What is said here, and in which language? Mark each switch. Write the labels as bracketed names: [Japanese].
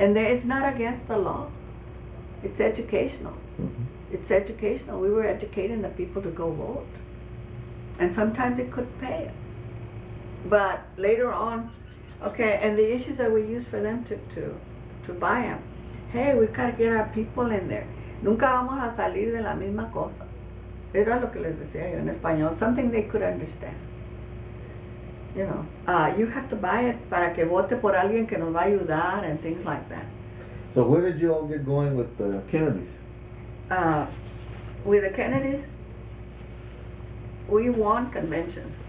[English] And there, it's not against the law. It's educational. Mm-hmm. It's educational. We were educating the people to go vote. And sometimes it could pay. But later on, okay, and the issues that we use for them to buy them. Hey, we got to get our people in there. [Spanish] Nunca vamos a salir de la misma cosa. Era lo que les decía yo en español. [English] Something they could understand. You know, you have to buy it [Spanish] para que vote por alguien que nos va a ayudar [English] and things like that. So where did you all get going with the Kennedys? With the Kennedys, we won conventions.